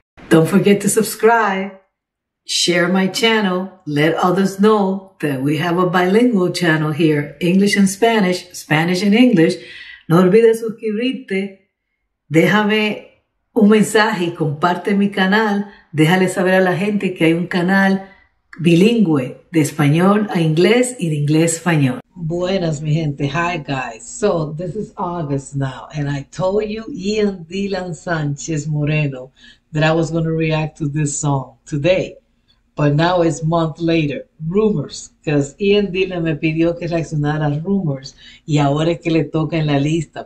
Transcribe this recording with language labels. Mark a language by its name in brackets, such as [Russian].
[English] Don't forget to subscribe, share my channel, let others know that we have a bilingual channel here, English and Spanish, Spanish and English. [Spanish] No olvides suscribirte, déjame un mensaje y comparte mi canal. Déjale saber a la gente que hay un canal bilingüe de español a inglés y de inglés a español. Buenas, mi gente. [English] Hi, guys. So, this is August now, and I told you Ian Dylan Sanchez Moreno that I was going to react to this song today. But now it's month later. Rumors. Because Ian Dylan [Spanish] me pidió que reaccionara a Rumors, y ahora es que le toca en la lista.